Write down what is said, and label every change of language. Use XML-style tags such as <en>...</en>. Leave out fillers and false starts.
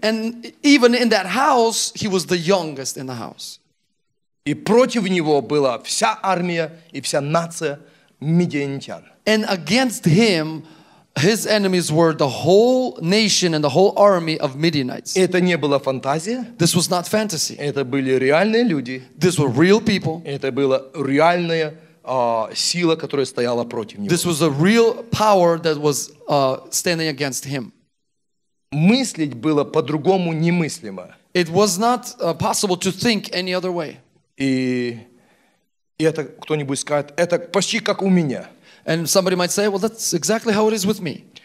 <en>And even in that house, he was the youngest in the house.</en> <ru>И против него была вся армия и вся нация мидиянитян.</ru> <en>And against him, his enemies were the whole nation and the whole army of Midianites.</en> <ru>Это не была фантазия.</ru> <en>This was not fantasy.</en> <ru>Это были реальные люди.</ru> <en>These were real people.</en> <ru>Это было реальное. Сила, которая стояла против него.</ru> <en>This was a real power that was standing against him.</en> <ru>Мыслить было по-другому немыслимо.</ru> <en>It was not possible to think any other way.</en> <ru>И это кто-нибудь скажет, это почти как у меня.</ru> <en>And somebody might say, well, that's exactly how it is with me.</en>